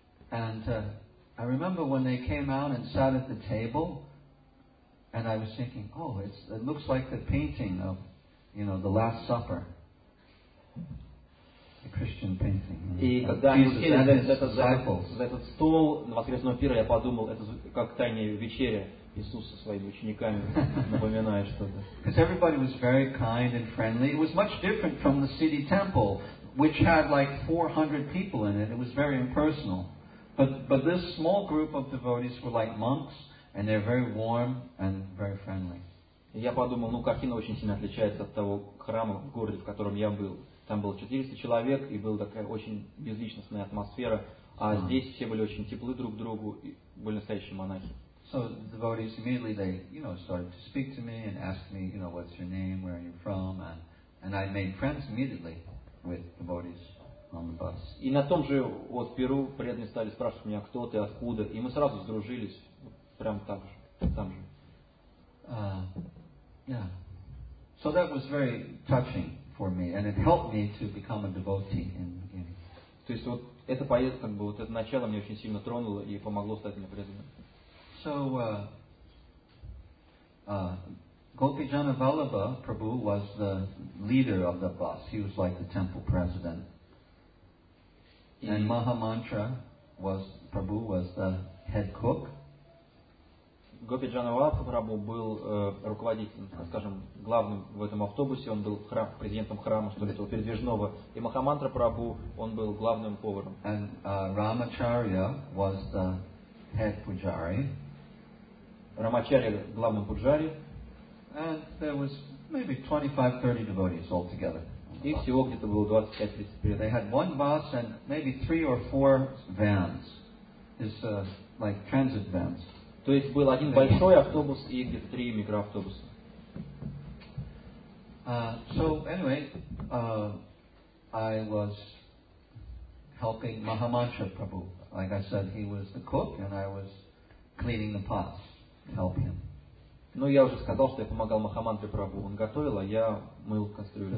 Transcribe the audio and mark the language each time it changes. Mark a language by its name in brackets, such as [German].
[English] And I remember when they came out and sat at the table, and I was thinking, oh, it looks like the painting of, you know, the Last Supper, the Christian painting. [Russian] И когда они сели за этот стол на воскресного пира, я подумал, это как тайная вечеря Иисуса со своими учениками, напоминая что-то. [English] Because everybody was very kind and friendly. It was much different from the city temple, which had like 400 people in it. It was very impersonal. But this small group of devotees were like monks, and they're very warm and very friendly. [Russian] Я подумал, ну картина очень сильно отличается от того храма в городе, в котором я был. Там было 400 человек, и была такая очень безличностная атмосфера, а здесь все были очень теплы друг к другу, и были настоящие монахи. [English] So the devotees immediately they, you know, started to speak to me and ask me, you know, what's your name, where are you from, and I made friends immediately with devotees. [Russian] И на том же вот Перу преданные стали спрашивать меня, кто ты, откуда, и мы сразу сдружились прямо так же, там же. [English] So that was very touching for me, and it helped me to become a devotee in the beginning. [Russian] То есть вот эта поездка, как бы вот это начало меня очень сильно тронуло и помогло стать мне преданным. [English] So Gopijana Vallabha Prabhu was the leader of the bus. He was like the temple president. And Mahamantra was, Prabhu was the head cook. [Russian] Гопи Джана Валабха Прабху был руководителем, скажем, главным в этом автобусе, он был храм, президентом храма, что ли, этого передвижного. И Махамантра Прабху, он был главным поваром. [English] And Рамачарья was the head pujari. [Russian] Рамачарья главный пуджари. [English] And there was maybe 25-30 devotees altogether. [Russian] И всего где-то было 25-30. [English] They had one bus and maybe three or four vans. It's like transit vans. [Russian] То есть был один большой автобус и где-то три микроавтобуса. [English] So anyway, I was helping Mahamantra Prabhu. Like I said, he was the cook and I was cleaning the pots to help him. [Russian] Ну, я уже сказал, что я помогал Махамантре Прабху. Он готовил, а я мыл кастрюлю.